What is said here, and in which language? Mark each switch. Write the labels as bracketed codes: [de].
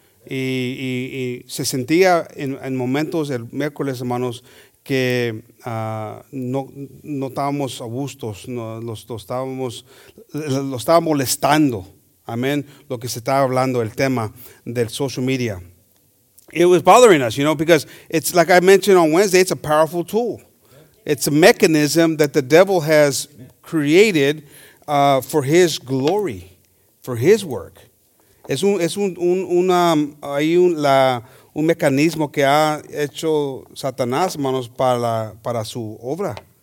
[es] Y se sentía en momentos el miércoles, hermanos, que no estábamos a gustos, lo estaba molestando, amen, lo que se estaba hablando, el tema del social media. [en] It was bothering us, you know, because it's like I mentioned on Wednesday, it's a powerful tool. It's a mechanism that the devil has created for his glory, for his work. [es] Un mecanismo que ha hecho Satanás, hermanos, para su obra.